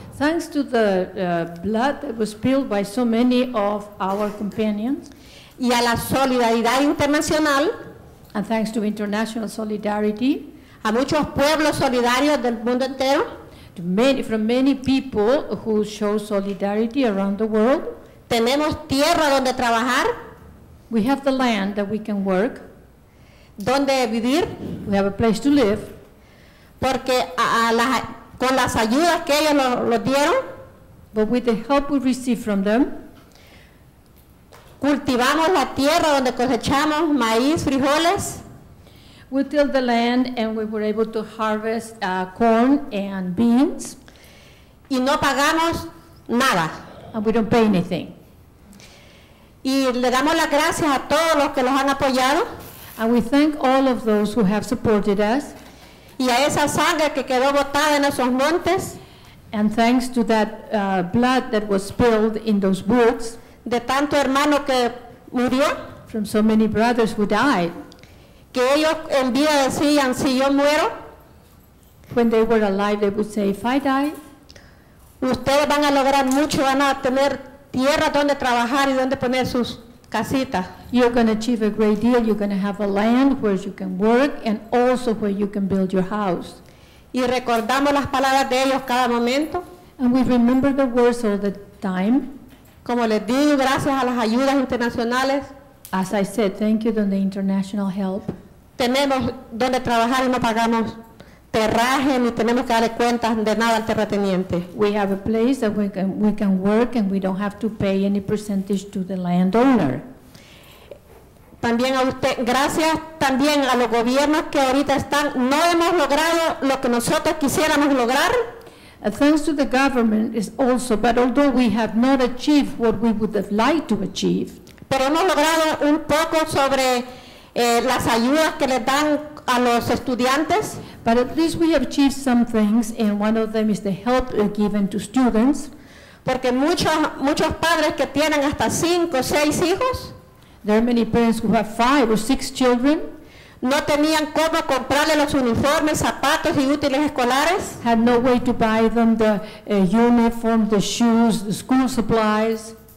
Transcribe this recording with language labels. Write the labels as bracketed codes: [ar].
[en] Thanks to the blood that was spilled by so many of our companions. [es] Y a la solidaridad internacional. [en] And thanks to international solidarity. [es] A muchos pueblos solidarios del mundo entero. [en] From many people who show solidarity around the world. [es] Tenemos tierra donde trabajar. [en] We have the land that we can work. [es] Donde vivir. [en] We have a place to live. [es] Porque con las ayudas que ellos nos dieron. [en] But with the help we receive from them. [es] Cultivamos la tierra donde cosechamos maíz, frijoles. [en] We tilled the land and we were able to harvest corn and beans. [es] Y no pagamos nada. [en] And we don't pay anything. [es] Y le damos las gracias a todos los que nos han apoyado. [en] And we thank all of those who have supported us. [es] Y a esa sangre que quedó botada en esos montes. [en] And thanks to that blood that was spilled in those woods. [es] De tanto hermano que murió. [en] From so many brothers who died. [es] Que ellos en vida decían, si yo muero. [en] When they were alive, they would say, if I die. [es] Ustedes van a lograr mucho, van a tener tierra donde trabajar y donde poner sus casitas. [en] You're going to achieve a great deal. You're going to have a land where you can work and also where you can build your house. [es] Y recordamos las palabras de ellos cada momento. [en] And we remember the words all the time. [es] Como les digo, gracias a las ayudas internacionales. [en] As I said, thank you to the international help. [es] Tenemos donde trabajar y no pagamos terraje ni tenemos que darle cuentas de nada al terrateniente. [en] We have a place that we can work and we don't have to pay any percentage to the landowner. [es] También a usted, gracias también a los gobiernos que ahorita están, no hemos logrado lo que nosotros quisiéramos lograr. [en] Thanks to the government is also, but although we have not achieved what we would have liked to achieve. [es] Pero hemos logrado un poco sobre las ayudas que les dan a los estudiantes. [en] But at least we have achieved some things, and one of them is the help given to students. [es] Porque muchos padres que tienen hasta 5 o 6 hijos. [en] There are many parents who have 5 or 6 children. [es] No tenían cómo comprarle los uniformes, zapatos y útiles escolares. [en] Had no way to buy them the uniform, the shoes, the school supplies.